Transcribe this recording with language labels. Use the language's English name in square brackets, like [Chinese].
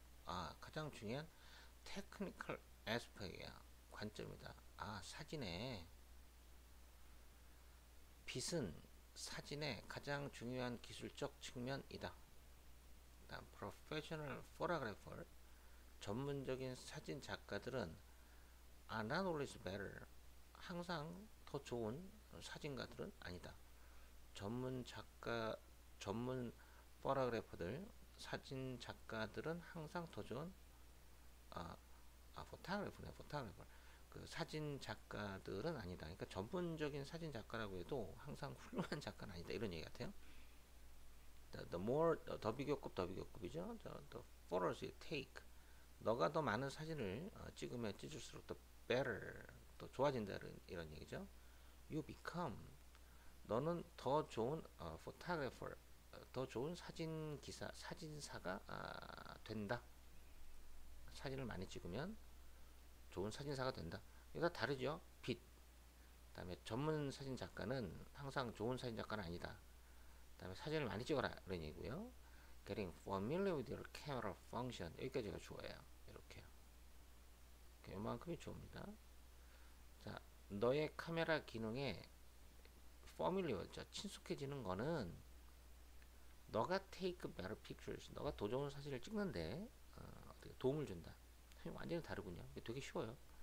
[Korean] 아, 가장 중요한 [English] technical aspect [Korean] 이야. 관점이다. 아, 사진에 빛은 사진의 가장 중요한 기술적 측면이다. [English] 그다음 professional photographer, [Korean] 전문적인 사진 작가들은 [English] are not always better. [Korean] 항상 더 좋은 사진가들은 아니다. 전문 작가, 전문 포토그래퍼들, 사진 작가들은 항상 더 좋은 포토그래퍼네, 포토그래퍼. 그 사진 작가들은 아니다. 그러니까 전문적인 사진 작가라고 해도 항상 훌륭한 작가는 아니다. 이런 얘기 같아요. The 더비교급이죠. [English] The photos you take. [Korean] 너가 더 많은 사진을 찍으면 찍을수록 더 better, 더 좋아진다는 이런 얘기죠. [English] You become [Korean] 너는 더 좋은 photographer, 더 좋은 사진 기사, 사진사가 된다. 사진을 많이 찍으면 좋은 사진사가 된다. 이거 다 다르죠? 빛. 그다음에 전문 사진 작가는 항상 좋은 사진 작가는 아니다. 그다음에 사진을 많이 찍어라 이런 얘기고요. [English] Getting familiar with your camera function. [Korean] 여기까지가 주어예요. 이렇게요. 이만큼이 주어입니다. 자, 너의 카메라 기능에 familiar죠. 친숙해지는 거는 너가 [English] take better pictures, [Korean] 너가 더 좋은 사진을 찍는데 도움을 준다. 완전히 다르군요. 되게 쉬워요.